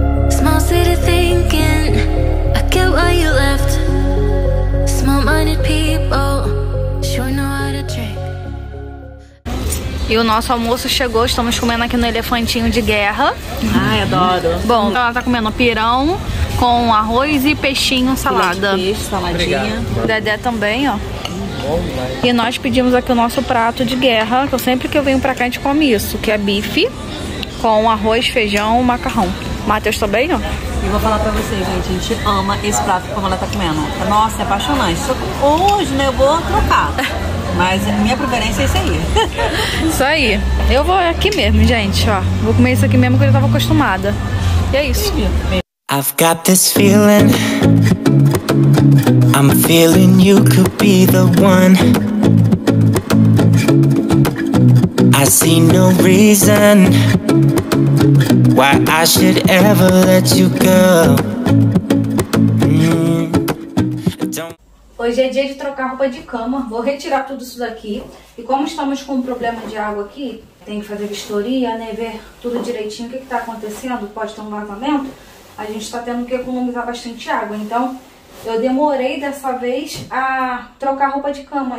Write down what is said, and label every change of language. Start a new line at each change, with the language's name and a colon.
English: Small city thinking, I get why you left. Small minded people, sure know how to drink.
Portuguese: E o nosso almoço chegou, estamos comendo aqui no elefantinho de guerra. Ai, adoro. Bom, ela tá comendo pirão com arroz e peixinho, salada. Peixe, saladinha. Dedé também, ó. E nós pedimos aqui o nosso prato de guerra, que sempre que eu venho pra cá a gente come isso, que é bife com arroz, feijão, macarrão. Matheus também, ó. E vou falar pra vocês, gente, a gente ama esse prato como ela tá comendo. Nossa, é apaixonante. Hoje, né, eu vou trocar. Mas a minha preferência é isso aí. Isso aí. Eu vou aqui mesmo, gente, ó. Vou comer isso aqui mesmo que eu já tava acostumada. E é isso.
English: I've got this feeling, I'm feeling you could be the one. I see no reason why I should ever let you go.
Portuguese: Hoje é dia de trocar roupa de cama. Vou retirar tudo isso daqui. E como estamos com um problema de água aqui, tem que fazer vistoria, né? Ver tudo direitinho o que está acontecendo. Pode ter um vazamento. A gente está tendo que economizar bastante água. Então, eu demorei dessa vez a trocar roupa de cama.